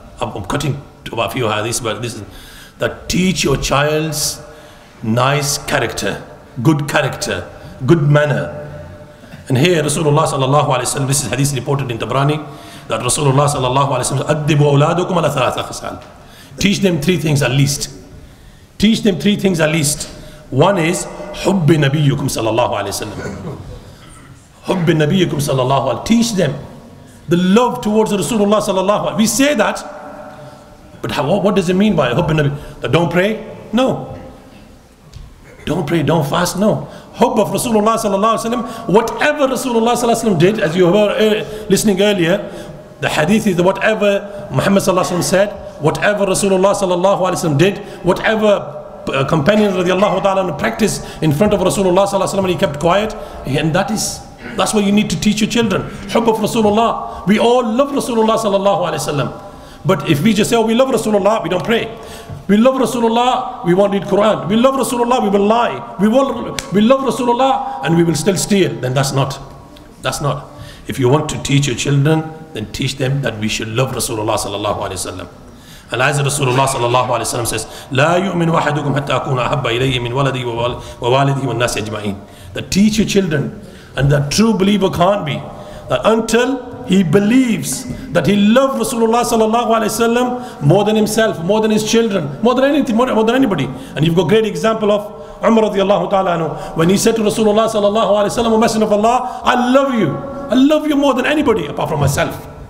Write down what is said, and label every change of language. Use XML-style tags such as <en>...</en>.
<en>I'm cutting to about a few hadiths, but this is that teach your child's nice character, good manner. And here Rasulullah sallallahu alayhi wa sallam, this is hadith reported in Tabrani, that Rasulullah sallallahu alayhi wa sallam</en> <ar>أَدِّبُوا أَوْلَادُكُمْ عَلَى ثَلَاثَ.</ar> <en>Teach them three things at least. Teach them three things at least. One is</en> <ar>حُبِّ نَبِيُّكُمْ صَلَى اللَّهُ عَلَيْهِ وَسَلَّمُ. حُبِّ نَبِيُّكُمْ صَلَى اللَّهُ عَلَيْهِ.</ar> <en>Teach them the love towards Rasulullah صلى الله عليه. We say that, but what does it mean by</en> <ar>حُبِّ نَبِيُّكُمْ?</ar> <en>Don't pray? No. Don't pray, don't fast? No. hub of Rasulullah sallallahu alaihi wasallam. Whatever Rasulullah sallallahu alaihi wasallam did, as you were listening earlier, the hadith is that whatever Muhammad sallallahu alaihi wasallam said, whatever Rasulullah sallallahu alaihi wasallam did, whatever companions radiallahu ta'ala practiced in front of Rasulullah sallallahu alaihi wasallam and he kept quiet, and that's what you need to teach your children. Hub of Rasulullah. We all love Rasulullah sallallahu alaihi wasallam. But if we just say, oh, we love Rasulullah, we don't pray. We love Rasulullah, we won't read Quran. We love Rasulullah, we will lie. We love Rasulullah and we will still steal. Then that's not. If you want to teach your children, then teach them that we should love Rasulullah sallallahu alaihi wasallam. And as Rasulullah sallallahu alaihi wasallam says,</en> <ar>لا يؤمن وحدكم حتى أكون أحب إليه من ولدي ووالدي والناس أجمعين.</ar> <en>That teach your children, and that true believer can't be, that until he believes that he loved Rasulullah sallallahu alaihi wasallam more than himself, more than his children, more than anything, more than anybody. And you've got great example of Umar radiallahu ta'ala anhu, when he said to Rasulullah sallallahu alaihi wasallam, O Messenger of Allah, I love you more than anybody apart from myself.</en>